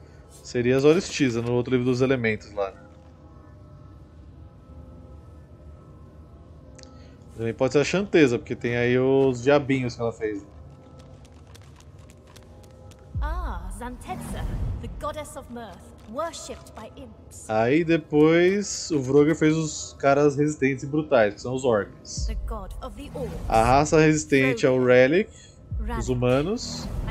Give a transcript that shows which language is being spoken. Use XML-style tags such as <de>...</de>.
<pt>Seria as horas tisa no outro livro dos elementos lá. Também pode ser a Chanteza, porque tem aí os diabinhos que ela fez.</pt> <en>Ah, Xantetza, the goddess of mirth, worshipped by imps.</en> <pt>Aí depois o Vroger fez os caras resistentes e brutais, que são os orcs.</pt> <en>The god of the orcs.</en> <pt>A raça resistente é o Relic, os humanos.</pt>